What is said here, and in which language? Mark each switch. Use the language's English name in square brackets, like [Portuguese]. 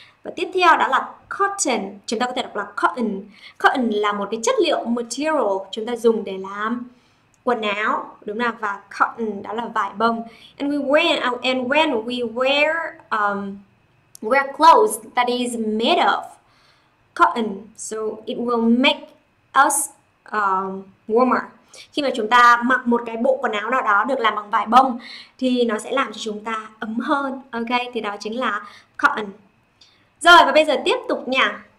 [Vietnamese] Và tiếp theo đó là cotton, chúng ta có thể đọc là cotton. Cotton là một cái chất liệu, material chúng ta dùng để làm quần áo, đúng nào? Và cotton đó là vải bông. [English] And we wear, and when we wear wear clothes that is made of cotton, so it will make us warmer. [Vietnamese] Khi mà chúng ta mặc một cái bộ quần áo nào đó được làm bằng vải bông thì nó sẽ làm cho chúng ta ấm hơn. Ok, thì đó chính là cotton. Rồi, và bây giờ tiếp tục nha.